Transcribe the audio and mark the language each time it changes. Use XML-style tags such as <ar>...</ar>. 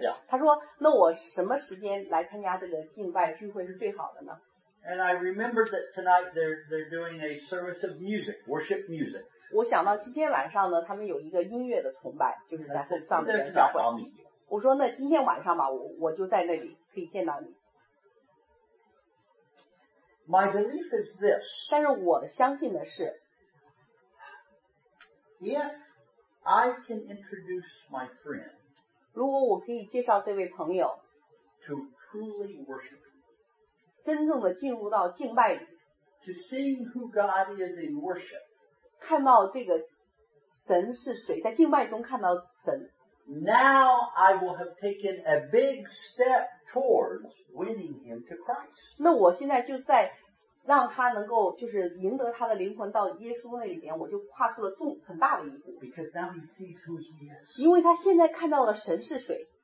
<en>Yeah。</en> <zh>他说那我什么时间来参加这个敬拜聚会是最好的呢？</zh> <en>And I remembered that tonight they're doing a service of music, worship music.</en> <zh>我想到今天晚上呢，他们有一个音乐的崇拜，就是在后上的教会。</zh> <en>That's not me.</en> <zh>我说那今天晚上吧，我就在那里可以见到你。</zh> <en>My belief is this.</en> <zh>但是我相信的是</zh> <en>，If I can introduce my friend，</en> <zh>如果我可以介绍这位朋友</zh> <en>，to truly worship。</en> <zh>真正的进入到敬拜里</zh> <en>，to see who God is in worship，</en> <zh>看到这个神是谁，在敬拜中看到神。</zh> <en>Now I will have taken a big step towards winning him to Christ。</en> <zh>那我现在就在让他能够就是赢得他的灵魂到耶稣那里边，我就跨出了很大的一步。</zh> <en>Because now he sees who he is。</en> <zh>因为他现在看到了神是谁。</zh>